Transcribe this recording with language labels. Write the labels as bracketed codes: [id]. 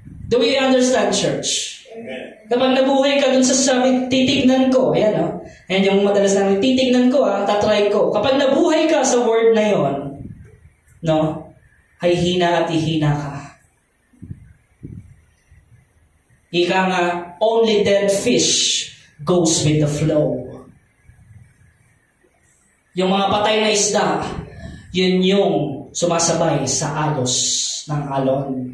[en] Do we understand, church? [tl] Kapag nabuhay ka dun sa sabi, titignan ko, ayan o. Ayan yung madalas namin, titignan ko, tatry ko. Kapag nabuhay ka sa word na yon, no, ay hina at ihina ka. [en] Ika nga, only dead fish goes with the flow. [tl] Yung mga patay na isda, yun yung sumasabay sa alos ng alon.